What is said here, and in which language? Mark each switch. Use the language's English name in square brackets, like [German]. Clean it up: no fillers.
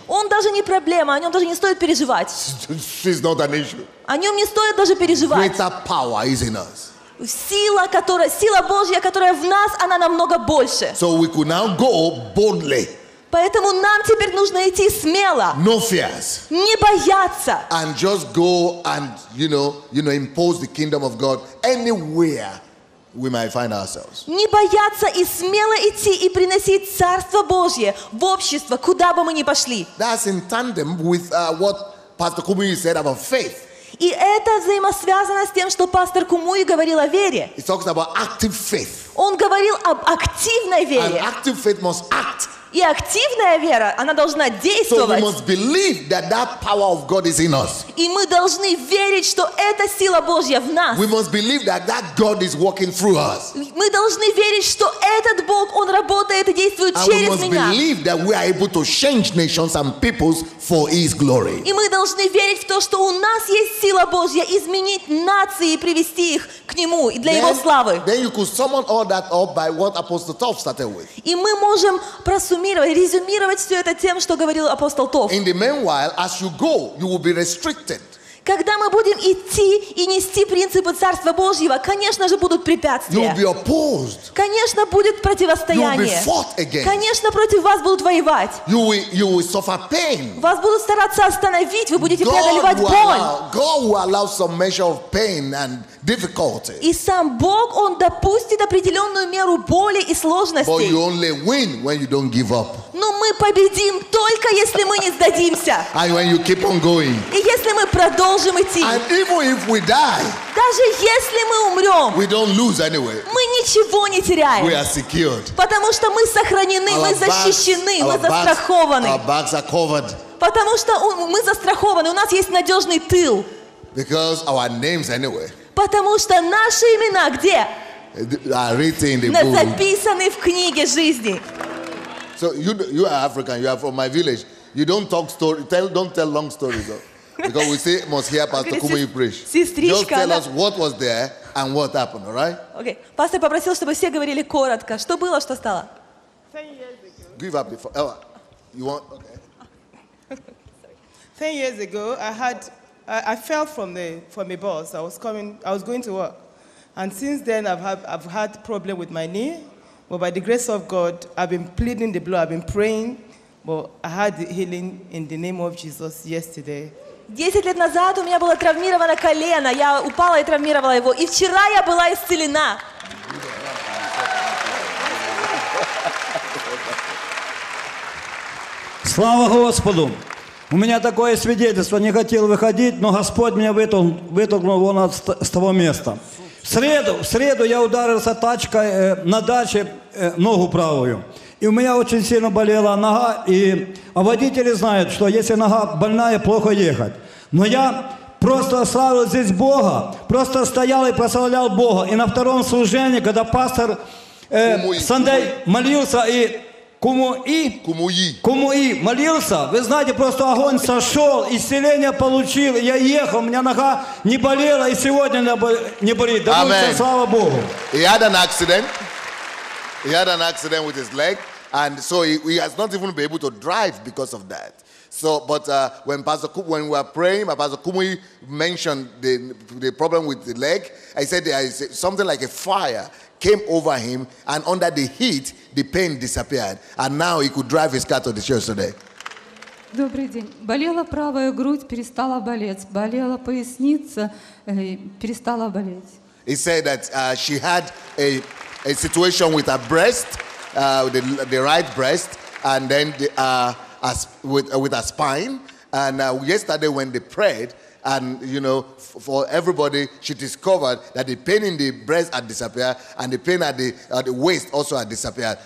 [Russian] Он даже не проблема, о нем даже не стоит переживать. [English] It's not an issue. [Russian] О нем не стоит даже переживать. [English] Greater power is in us. [Russian] Сила Божья, которая в нас, она намного больше. [English] So we could now go boldly. [Russian] Поэтому нам теперь нужно идти смело. [English] No fears. [Russian] Не бояться. [English] And just go and, you know, impose the kingdom of God anywhere we might find ourselves. [Russian] Не бояться и смело идти и приносить Царство Божье в общество, куда бы мы ни пошли. [English] That's in tandem with what Pastor Kumuyi said about faith. [Russian] И это взаимосвязано с тем, что пастор Кумуи говорил о вере. [English] He talks about active faith. [Russian] Он говорил об активной вере. [English] And active faith must act. [Russian] И активная вера, она должна действовать. [English] So we must believe that that power of God is in us. [Russian] И мы должны верить, что эта сила Божья в нас. [English] We must believe that that God is working through us. [Russian] Мы должны верить, что этот Бог, он работает и действует [English] and [Russian] через меня. [English] And we must believe that we are able to change nations and peoples for His glory. [Russian] И мы должны верить в то, что у нас есть сила Божья изменить нации и привести их к Нему и для [English] then, [Russian] Его славы. [English] Then you could summon all that up by what Apostle Toff started with. [Russian] И мы можем суммировать, резюмировать все это тем, что говорил апостол Тов. [English] In the meanwhile, as you go, you will be restricted. [Russian] Когда мы будем идти и нести принципы Царства Божьего, конечно же, будут препятствия. [English] You will be opposed. [Russian] Конечно, будет противостояние. [English] You will be fought against. [Russian] Конечно, против вас будут воевать. [English] You will suffer pain. [Russian] Вас будут стараться остановить, вы будете [English] God [Russian] преодолевать боль. [English] God will allow some measure of pain and difficulty. [Russian] И сам Бог, Он допустит определенную меру боли и сложности. [English] But you only win when you don't give up. [Russian] Но мы победим только, если мы не сдадимся. [English] And when you keep on going. [Russian] И если мы продолжим идти. [English] And even if we die, [Russian] даже если мы умрем, [English] we don't lose anyway. [Russian] Мы ничего не теряем. [English] We are secured. [Russian] Потому что мы сохранены, [English] our [Russian] мы защищены, мы застрахованы. [English] Our backs are covered. [Russian] Потому что мы застрахованы, у нас есть надежный тыл. [English] Because our names anyway. [Russian] Потому что наши имена где? Записаны в книге жизни. [English] So you are African, you are from my village. You don't talk story, don't tell long stories though. Because we say must hear Pastor Kumu preach. [Russian] Сестричка, [English] just tell us what was there and what happened, all right? Okay. [Russian] Пастор попросил, чтобы все говорили коротко. Что было, что стало? [English] Give up before. Ella, you want? Okay. 10 years ago, I fell from a bus. I was going to work, and since then I've had problem with my knee. But by the grace of God, I've been pleading the blood. I've been praying, but I had the healing in the name of Jesus yesterday. [Russian] 10 лет назад у меня было травмировано колено. Я упала и травмировала его. И вчера я была исцелена. Слава Господу! У меня такое свидетельство, не хотел выходить, но Господь меня вытолкнул вон с того места. В среду я ударился тачкой на даче, ногу правую. И у меня очень сильно болела нога, а водители знают, что если нога больная, плохо ехать. Но я просто славил здесь Бога, просто стоял и прославлял Бога. И на втором служении, когда пастор Сандей молился и... Кумуи молился. Вы знаете, просто огонь сошел, исцеление получил. Я ехал, у меня нога не болела, и сегодня не болит. Да будет слава Богу. [English] He had an accident with his leg, and so he has not even been able to drive because of that. So, but when we were praying, Pastor Kumuyi mentioned the problem with the leg. I said there is something like a fire came over him, and under the heat, the pain disappeared, and now he could drive his car to the church today. [Russian] Добрый день. Болела правая грудь, перестала болеть. Болела поясница, перестала болеть. [English] He said that she had a situation with her breast, the right breast, and then with her spine. And yesterday, when they prayed, and you know, for everybody, she discovered that the pain in the breast had disappeared, and the pain at the waist also had disappeared.